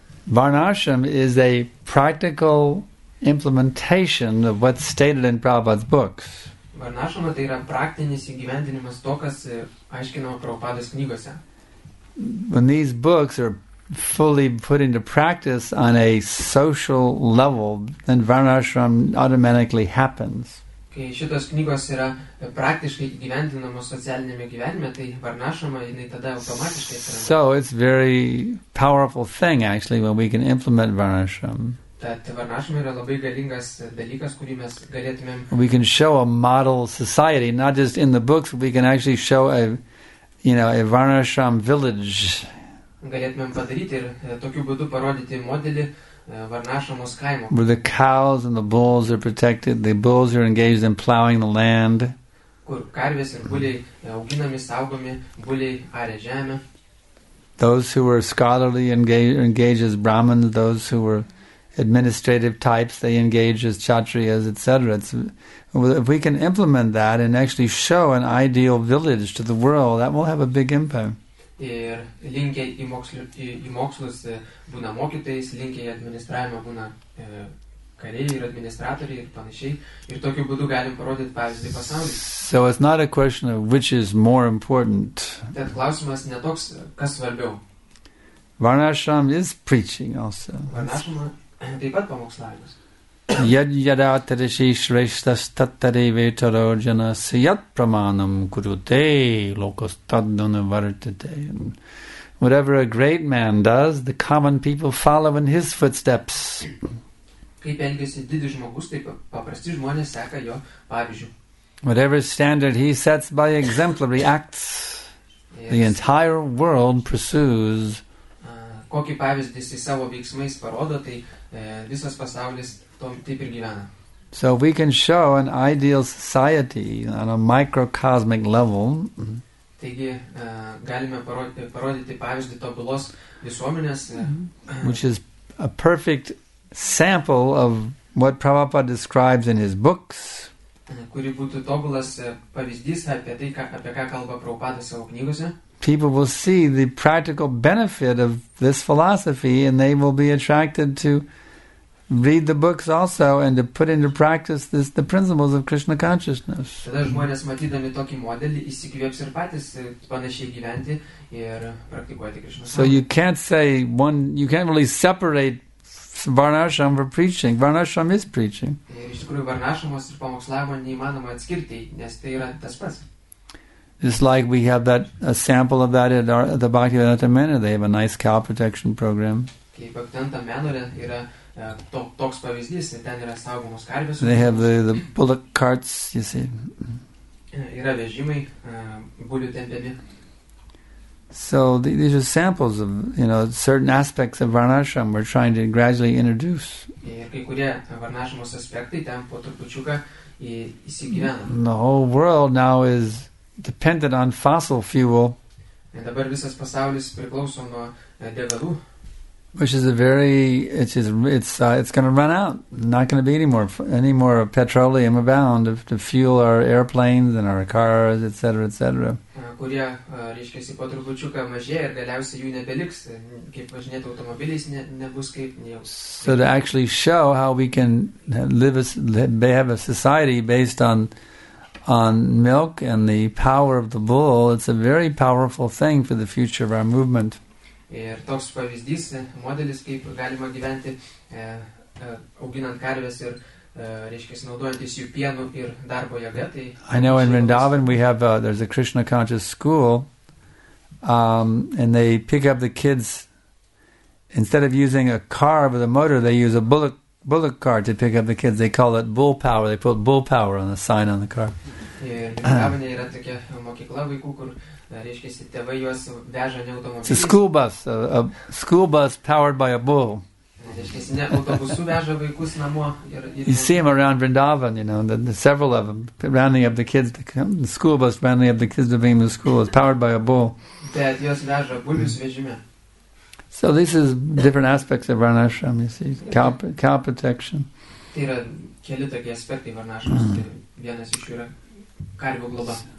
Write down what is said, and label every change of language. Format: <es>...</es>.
<en>Varnashram is a practical implementation of what's stated in Prabhupada's books.</en> <lt>Varnashram tai yra praktinis įgyvendinimas to, kas aiškinama Prabhupada's knygose.</lt> <en>When these books are fully put into practice on a social level, then Varnashram automatically happens.</en> <lt>Kai šitos knygos yra praktiškai gyvendinamos socialinėme gyvenime, tai Varnashrama, jinai tada automatiškai atsiranda.</lt> <en>So it's very powerful thing, actually, when we can implement Varnashram.</en> <lt>Tad Varnashram yra labai galingas dalykas, kurį mes galėtumėm.</lt> <en>We can show a model society, not just in the books, but we can actually show a Varnashram village.</en> <lt>Galėtumėm padaryti ir tokiu būdu parodyti modelį,</lt> <en>where the cows and the bulls are protected, the bulls are engaged in plowing the land,</en> <lt>kur karvės ir buliai auginami, saugomi, buliai aria žemę.</lt> <en>Those who were scholarly engaged as Brahmins, those who were administrative types they engage as kshatriyas, etc. If we can implement that and actually show an ideal village to the world, that will have a big impact.</en> <lt>Ir linkę į mokslus būna mokytojais, linkę į administravimą būna kariai ir administratoriai ir panašiai. Ir tokiu būdu galim parodyti pavyzdį pasaulyje.</lt> <en>So it's not a question of which is more important.</en> <lt>Tad klausimas ne toks, kas svarbiau.</lt> <en>Varnashram is preaching also.</en> <lt>Varnashrama taip pat pamokslavimas.</lt> <sa>Yad yada tadashi shreshtas tattare vetaro jana siyat pramanam kurute lokas taddana vartate.</sa> <en>Whatever a great man does, the common people follow in his footsteps.</en> <lt>Kaip elgiasi didis žmogus, taip paprasti žmonės seka jo pavyzdžiu.</lt> <en>Whatever standard he sets by exemplary acts, the entire world pursues.</en> <lt>Kokį pavyzdį jis savo veiksmais parodo, tai visas pasaulis.</lt> <en>So we can show an ideal society on a microcosmic level.</en> <lt>Taigi, galime parodyti pavyzdį tobulos visuomenės,</lt> <en>which is a perfect sample of what Prabhupada describes in his books.</en> <lt>Kuri būtų tobulas pavyzdys apie tai, apie ką kalba Prabhupada savo knygose.</lt> <en>People will see the practical benefit of this philosophy and they will be attracted to read the books also and to put into practice this, the principles of Krishna consciousness.</en> <lt>Tada žmonės matydami tokį modelį įsikvėps ir patys panašiai gyventi ir praktikuoti Krishna.</lt> <en>So you can't say one, you can't really separate Varnashram from preaching. Varnashram is preaching.</en> <lt>Iš tikrųjų Varnashramas ir pamokslavimo neįmanoma atskirti, nes tai yra tas pats.</lt> <en>It's like we have that a sample of that at our, the Bhaktivedanta Manor. They have a nice cow protection program.</en> <lt>Kaip Bhaktivedanta Manor yra toks pavyzdys, ten yra saugomos karvės.</lt> <en>They have the bullock carts, you see.</en> <lt>Yra vežimai, bulių tempiami.</lt> <en>So these are samples of, you know, certain aspects of Varnashram we're trying to gradually introduce.</en> <lt>Ir kai kurie Varnashramos aspektai ten po trupučiuką įsigyvena.</lt> <en>The whole world now is dependent on fossil fuel.</en> <lt>Ir dabar visas pasaulis priklauso nuo degalų.</lt> <en>Which is a very, it's going to run out. Not going to be any more petroleum abound to fuel our airplanes and our cars, etc., etc.</en> <lt>Kurie, reiškiasi, po trupučiuką mažėja ir galiausiai jų nebeliks, kaip važinėti automobiliais nebus kaip nejau.</lt> <en>So to actually show how we can have a society based on milk and the power of the bull, it's a very powerful thing for the future of our movement.</en> <lt>Ir toks pavyzdys, modelis, kaip galima gyventi auginant karves ir reiškia naudojantis jų pienu ir darbo jėga. Tai</lt> <en>I know in Vrindavan we have there's a Krishna conscious school and they pick up the kids instead of using a car with a motor they use a bullock car to pick up the kids. They call it bull power. They put bull power on the sign on the car.</en> <lt>Vrindavane yra tokia mokykla vaikų, kur reiškiasi, tėvai juos veža ne automobiliais.</lt> <en>It's a school bus powered by a bull.</en> <lt>Reiškiasi, ne autobusu veža vaikus namo.</lt> <en>You see them around Vrindavan, you know, the several of them, rounding up the kids, the school bus rounding up the kids to bring them to school, is powered by a bull.</en> <lt>Bet juos veža bulius vežime.</lt> <en>So this is different aspects of Varnashram, you see, cow protection.</en> <lt>Tai yra keli tokie aspektai Varnashram, vienas iš jų yra karvių globa.</lt>